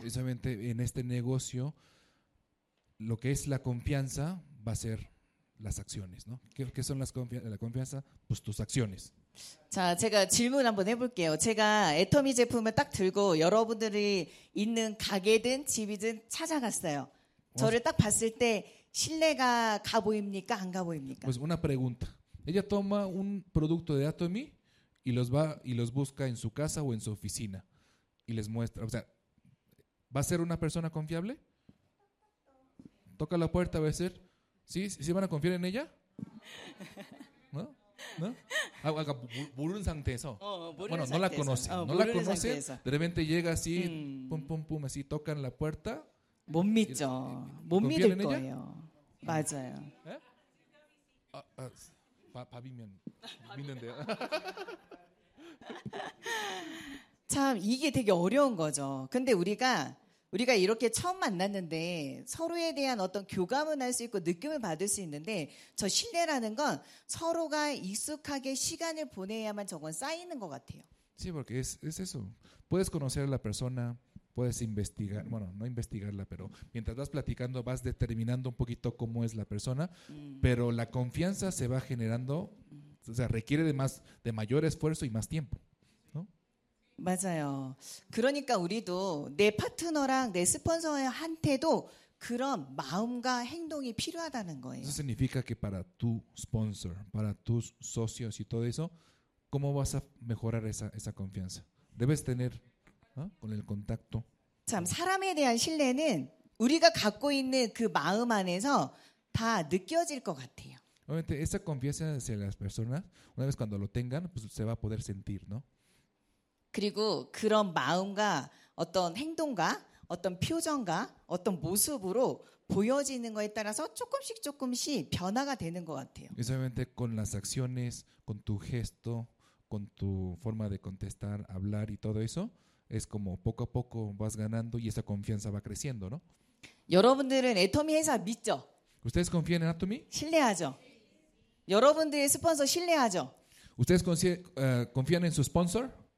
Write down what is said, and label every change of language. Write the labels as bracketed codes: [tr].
[es] Precisamente en este negocio lo que es la confianza va a ser las acciones, ¿no? ¿Qué son las confianza? La confianza, pues tus acciones. [ko] 자, 제가 질문 한번 해 볼게요. 제가 애터미 제품을 딱 들고 여러분들이 있는 가게든 집이든 찾아갔어요. 저를 딱 봤을 때 신뢰가 가 보입니까? 안 가 보입니까? [es] Pues una pregunta. Ella toma un producto de Atomy y los va y los busca en su casa o en su oficina y les muestra. O sea, ¿va a ser una persona confiable? Toca la puerta, va a ser. ¿Sí? ¿Sí van a confiar en ella? ¿No? ¿No? Ah, bueno, [ko] ¿모르는 상태에서? [es] Bueno, no la conoce. No la conoce. De repente llega así, pum, pum, pum, así, tocan la puerta. [ko] ¿Mon 믿죠? ¿Mon 믿을 거예요? 맞아요. ¿Eh? Ah, ah. 밥이면 믿는데요. 참 이게 되게 어려운 거죠. 근데 우리가 이렇게 처음 만났는데 서로에 대한 어떤 교감은 할 수 있고 느낌을 받을 수 있는데 저 신뢰라는 건 서로가 익숙하게 시간을 보내야만 저건 쌓이는 것 같아요. [es] Sí, porque es eso. Puedes conocer a la persona, puedes investigar, bueno, no investigarla, pero mientras vas platicando vas determinando un poquito cómo es la persona, pero la confianza se va generando, o sea, requiere de mayor esfuerzo y más tiempo, ¿no? [ko] 맞아요. 그러니까 우리도 내 파트너랑 내 스폰서한테도 그런 마음과 행동이 필요하다는 거예요. [es] Eso significa que para tu sponsor, para tus socios y todo eso, ¿cómo vas a mejorar esa confianza? Debes tener con el contacto. [ko] 참 사람에 대한 신뢰는 우리가 갖고 있는 그 마음 안에서 다 느껴질 것 같아요. [es] Obviamente esa confianza hacia las personas, una vez cuando lo tengan, pues se va a poder sentir, ¿no? [ko] 그리고 그런 마음과 어떤 행동과 어떤 표정과 어떤 모습으로 보여지는 거에 따라서 조금씩 조금씩 변화가 되는 것 같아요. [es] Obviamente con las acciones, con tu gesto, con tu forma de contestar, hablar y todo eso. Es como poco a poco vas ganando y esa confianza va creciendo, ¿no? [ko] 여러분들은 애터미 회사 믿죠? [es] ¿Ustedes confían en Atomy? [ko] 신뢰하죠. 여러분들의 스폰서 신뢰하죠. [es] ¿Ustedes confían en su sponsor?